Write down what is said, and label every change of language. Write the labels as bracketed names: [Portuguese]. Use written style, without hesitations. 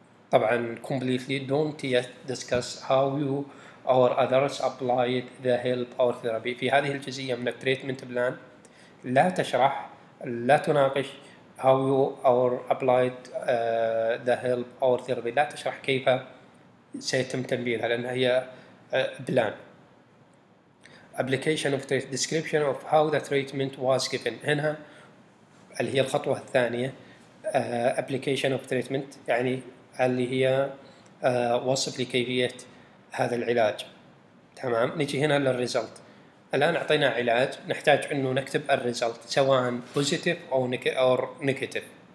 [English] طبعا completely don't yet discuss how you or others applied the help or therapy. [Arabic] في هذه الجزئية من التريتمنت بلان لا تشرح، لا تناقش [English] how you or applied the help or therapy، [Arabic] لا تشرح كيف سيتم تنفيذها، لأنها هي بلان. [English] application of treatment, description of how the treatment was given. [Arabic] هنا اللي هي الخطوة الثانية [English] application of treatment، [Arabic] يعني اللي هي وصف لكيفية هذا العلاج. تمام، نجي هنا للريزلت. الآن أعطينا علاج، نحتاج أنه نكتب الريزلت سواء positive أو negative.